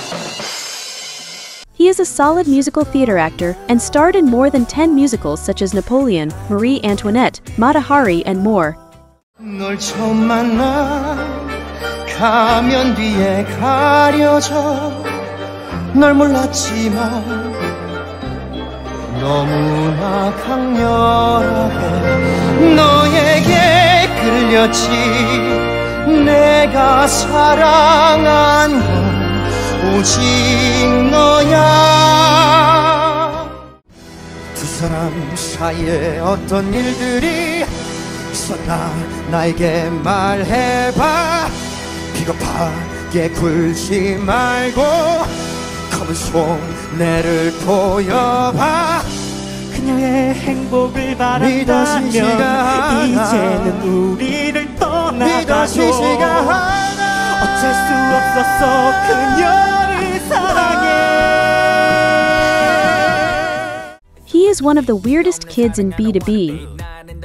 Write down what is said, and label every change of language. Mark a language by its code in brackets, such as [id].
[en] Solid musical theater actor and starred in more than 10 musicals such as Napoleon, Marie Antoinette, Mata Hari, and more. [ko] 널 처음 만나 가면 뒤에 가려져 널 몰랐지만 너무나 강렬하게 너에게 끌렸지 내가 사랑한 오직 너야 두 사람 사이에 어떤 일들이 있었나 나에게 말해봐 비겁하게 굴지 말고 검은 속내를 보여봐 그녀의 행복을 바란다면 이제는 우리를 떠나가줘 어쩔 수 없었어 그녀 [en] He is one of the weirdest kids in B2B.